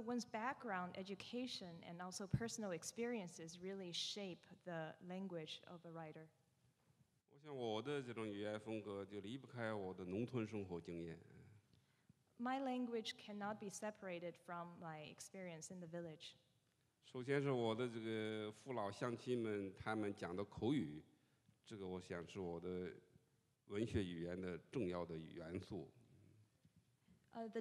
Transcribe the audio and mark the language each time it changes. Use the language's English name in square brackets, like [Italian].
[English] one's background, education, and also personal experiences really shape the language of a writer. [Chinese] 我想我的这种语言风格就离不开我的农村生活经验。 [English] My language cannot be separated from my experience in the village. [Chinese] 首先是我的这个父老乡亲们他们讲的口语。这个我想是我的文学语言的重要的元素。 [English] The